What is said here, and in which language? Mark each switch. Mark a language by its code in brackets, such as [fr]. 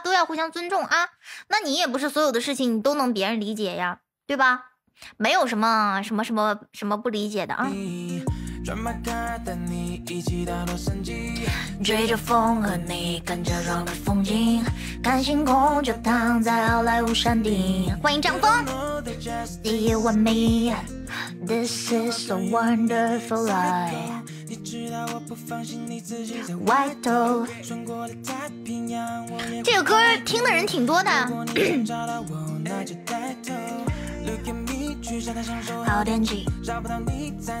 [zh] 都要互相尊重啊。那你也不是所有的事情你都能别人理解呀，对吧？没有什么什么什么什么不理解的啊。 [en] Drive my car, [zh] 带你一起到洛杉矶。追着风和你看车窗的风景，看星空就躺在好莱坞山顶。欢迎张峰。 [en] Do you want me? This is a wonderful life. [zh] 你知道我不放心你自己在外头。这个歌听的人挺多的。好天气。 [en] Baby,